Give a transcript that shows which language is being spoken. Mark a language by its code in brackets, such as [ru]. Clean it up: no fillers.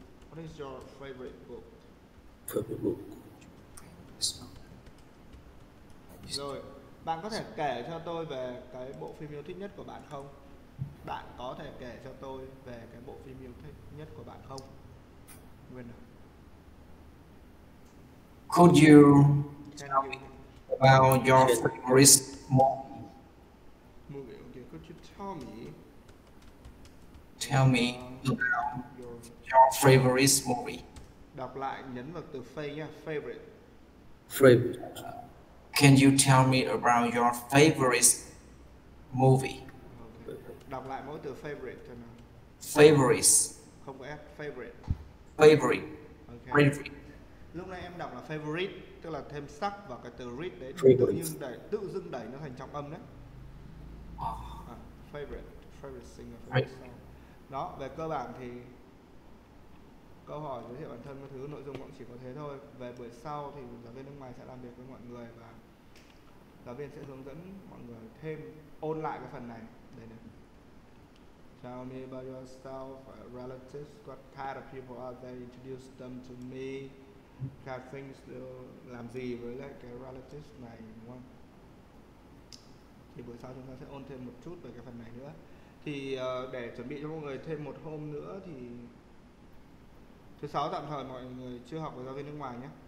[en] What is your favorite book? Favorite book. [vi] Rồi, bạn có thể kể cho tôi về cái bộ phim yêu thích nhất của bạn không? Bạn có thể kể cho tôi về cái bộ phim yêu thích nhất của bạn không? Nguyên nào? [en] Could you tell me about your favorite movie? Okay. Could you tell me? Tell me about your favorite movie. [vi] Đọc lại, nhấn vào từ favorite. [en] Favorite. Can you tell me about your favorite movie? Okay. [vi] Đọc lại mỗi từ favorite cho nào. [en] Favorites. [vi] Không có F, favorite. [en] Favorite. Okay. Favorite. [vi] Lúc nãy em đọc là favorite, tức là thêm sắc vào cái từ read đấy, tự dưng đẩy nó thành trọng âm đấy. [en] Favorite singer, favorite song. [vi] Đó, về cơ bản thì câu hỏi giới thiệu bản thân, các thứ nội dung cũng chỉ có thế thôi. Về buổi sau thì giáo viên nước ngoài sẽ làm việc với mọi người và giáo viên sẽ hướng dẫn mọi người thêm ôn lại cái phần này. Đây này. [en] Tell me about yourself, relatives, what kind of people are they, introduce them to me. [vi] Các bạn làm gì với lại cái relatives này đúng không? Thì buổi sau chúng ta sẽ ôn thêm một chút về cái phần này nữa. Thì để chuẩn bị cho mọi người thêm một hôm nữa thì thứ sáu tạm thời mọi người chưa học với giáo viên nước ngoài nhé.